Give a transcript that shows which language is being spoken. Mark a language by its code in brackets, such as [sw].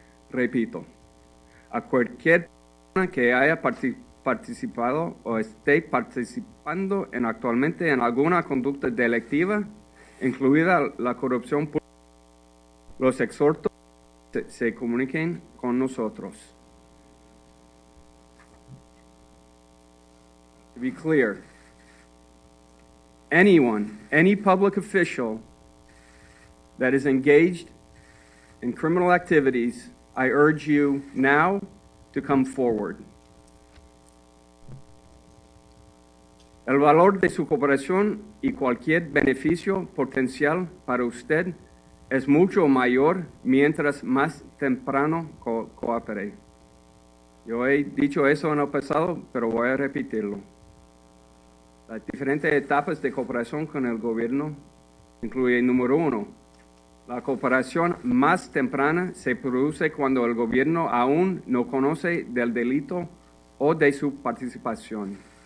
[es] Repito, a cualquier persona que haya participado o esté participando en actualmente en alguna conducta delictiva, incluida la corrupción pública, los exhorto que se comuniquen con nosotros. [en] To be clear, anyone, any public official that is engaged in criminal activities, I urge you now to come forward. [es] El valor de su cooperación y cualquier beneficio potencial para usted es mucho mayor mientras más temprano coopere. Yo he dicho eso en el pasado, pero voy a repetirlo. Las diferentes etapas de cooperación con el gobierno incluyen, número uno, la cooperación más temprana se produce cuando el gobierno aún no conoce del delito o de su participación.